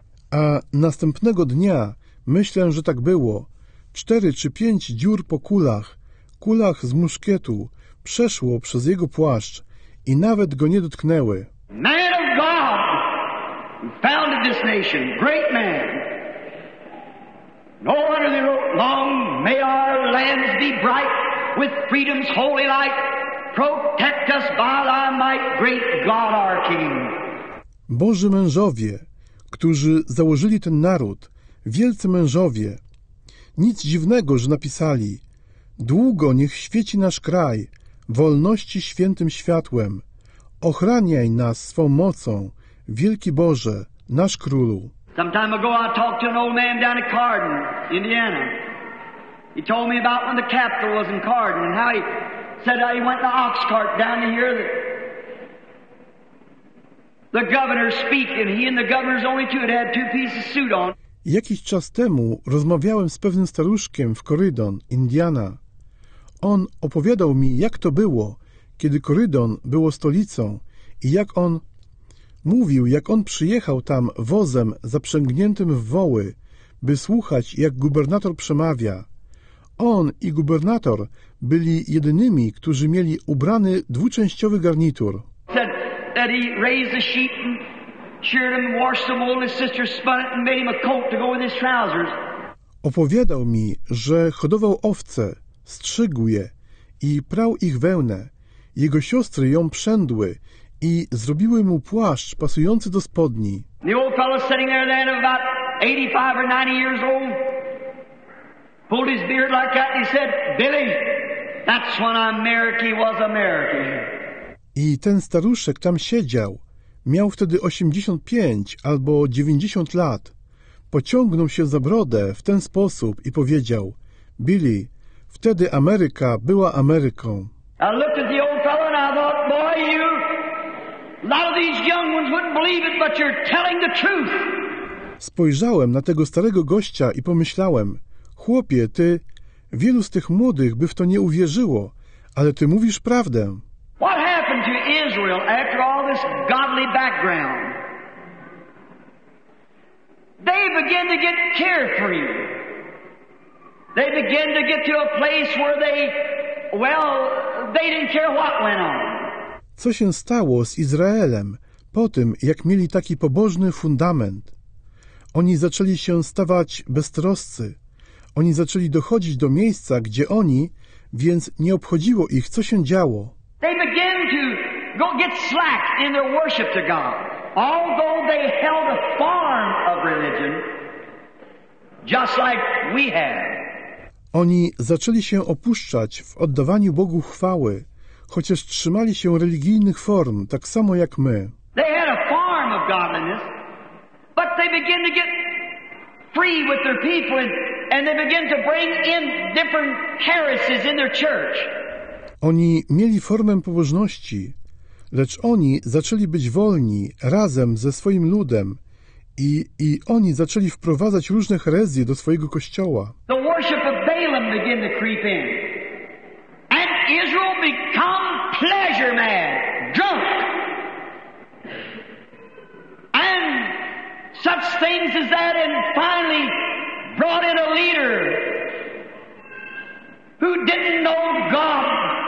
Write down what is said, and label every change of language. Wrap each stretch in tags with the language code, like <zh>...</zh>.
<pl>A następnego dnia, myślę, że tak było, 4 czy 5 dziur po kulach z muszkietu, przeszło przez jego płaszcz i nawet go nie dotknęły.</pl> <en>Man of God, who founded this nation, great man. No wonder they wrote, long may our lands be bright with freedom's holy light. Protect us by thy might, great God our King.</en> <pl>Boży mężowie, którzy założyli ten naród, wielcy mężowie, nic dziwnego, że napisali: długo niech świeci nasz kraj, wolności świętym światłem. Ochraniaj nas swą mocą, wielki Boże, nasz Królu.</pl> <en>Some time ago I talked to an old man down at Cardin, Indiana. He told me about when the capital was in Cardin and how he said he went in the ox cart down to hear the governor speak, and he and the governor's only two had had 2 pieces of suit on.</en> <pl>Jakiś czas temu rozmawiałem z pewnym staruszkiem w Corydon, Indiana. On opowiadał mi, jak to było, kiedy Corydon było stolicą, i jak on mówił, jak on przyjechał tam wozem zaprzęgniętym w woły, by słuchać, jak gubernator przemawia. On i gubernator byli jedynymi, którzy mieli ubrany dwuczęściowy garnitur.</pl> <en>That he raised the sheet and sheared him, washed some wool, and his sister spun it and made him a coat to go with his trousers.</en> <pl>Opowiadał mi, że hodował owce, strzygł je i prał ich wełnę. Jego siostry ją przędły i zrobiły mu płaszcz pasujący do spodni.</pl> <en>The old fellow sitting there then about 85 or 90 years old. Pulled his beard like that and he said, Billy, that's when America was America.</en> <pl>I ten staruszek tam siedział. Miał wtedy 85 albo 90 lat. Pociągnął się za brodę w ten sposób i powiedział, Billy, wtedy Ameryka była Ameryką.</pl> <en>I looked at the old fellow and I thought, boy, you, a lot of these young ones wouldn't believe it, but you're telling the truth.</en> <pl>Spojrzałem na tego starego gościa i pomyślałem, chłopie, ty, wielu z tych młodych by w to nie uwierzyło, ale ty mówisz prawdę.</pl> <en>What happened to Israel after all this godly background? they begin to get carefree. They begin to get to a place where they, well, they didn't care what went on.</en> <pl>Co się stało z Izraelem po tym, jak mieli taki pobożny fundament? Oni zaczęli się stawać beztroscy. Oni zaczęli dochodzić do miejsca, gdzie oni, więc nie obchodziło ich, co się działo.</pl> <en>They began to go get slack in their worship to God. Although they held a form of religion, just like we have.</en> <pl>Oni zaczęli się opuszczać w oddawaniu Bogu chwały, chociaż trzymali się religijnych form, tak samo jak my.</pl> <en>They had a form of godliness, but they began to get free with their people and they began to bring in different heresies in their church.</en> <pl>Oni mieli formę pobożności, lecz oni zaczęli być wolni razem ze swoim ludem i oni zaczęli wprowadzać różne herezje do swojego kościoła.</pl> <en>The worship of Balaam began to creep in. And Israel become pleasure mad, drunk. And such things as that, and finally brought in a leader who didn't know God.</en>